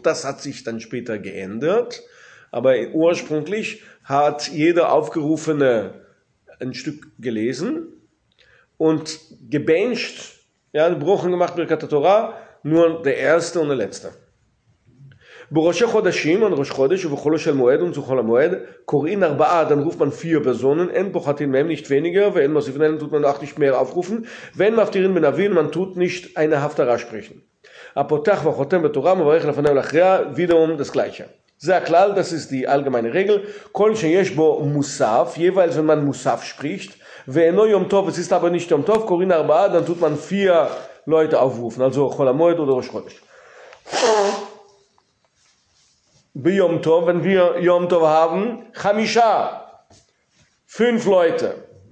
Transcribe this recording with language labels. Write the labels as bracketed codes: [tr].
[de] Das hat sich dann später geändert, aber ursprünglich hat jeder Aufgerufene ein Stück gelesen und gebencht, ja, Bruchen gemacht mit Birkat Torah, nur der Erste und der Letzte. [he] בראשי חודשים, [de] an Rosh Chodesh, [he] ובחולו של מועד, [de] und zu Chol HaMoed, [he] קוראים ארבעה, [de] dann ruft man vier Personen, [he] אין פוחתין מהם, [de] nicht weniger, [he] ואין מוסיפין אלן, [de] tut man auch nicht mehr aufrufen, [he] ואין מפטירין בנביא, [de] man tut nicht eine Haftara sprechen. [he] הפותח וחותם בתורה, מברך לפניו לאחריה, [de] wiederum das Gleiche. [he] זה הכלל, [de] das ist die allgemeine Regel, [he] כל שיש בו מוסף, [de] jeweils wenn man מוסף spricht, [he] ואינו יום טוב, [de] es ist aber nicht יום טוב, [he] קוראים ארבעה, [de] dann tut man vier Leute aufrufen, also Chol HaMoed oder Rosh Chodesh. Bei Yom Tov, wenn wir Yom Tov haben, Chamisha, fünf Leute.